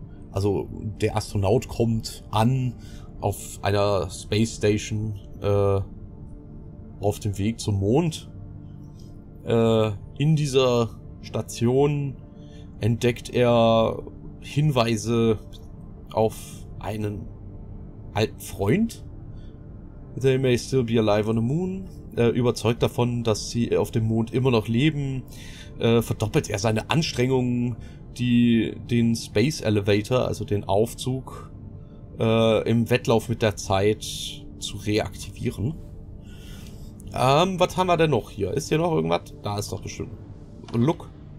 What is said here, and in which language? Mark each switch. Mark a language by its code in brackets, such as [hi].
[de] Also, der Astronaut kommt an auf einer Space Station. auf dem Weg zum Mond. In dieser Station entdeckt er Hinweise auf einen alten Freund. [en] They may still be alive on the moon. [de] Überzeugt davon, dass sie auf dem Mond immer noch leben, verdoppelt er seine Anstrengungen, den Space Elevator, also den Aufzug, im Wettlauf mit der Zeit zu reaktivieren. Was haben wir denn noch hier? Ist hier noch irgendwas? Da ist doch bestimmt. [en] Look.